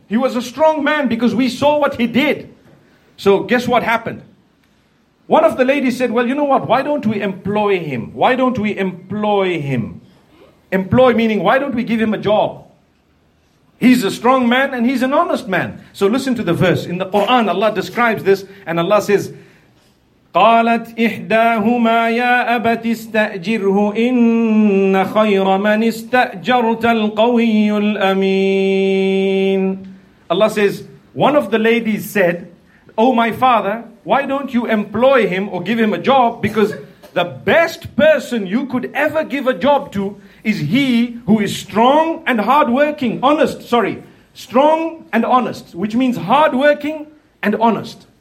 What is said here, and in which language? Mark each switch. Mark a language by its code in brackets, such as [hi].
[en] He was a strong man because we saw what he did. So guess what happened? One of the ladies said, well, you know what? Why don't we employ him? Why don't we employ him? Employ meaning, why don't we give him a job? He's a strong man and he's an honest man. So listen to the verse. In the Quran, Allah describes this. And Allah says, [ar] قالت إحداهما يا أبت استأجره إن خير من استأجرت القوي الأمين. [en] Allah says, one of the ladies said, oh my father, why don't you employ him or give him a job? Because the best person you could ever give a job to is he who is strong and hardworking, strong and honest, which means hardworking and honest.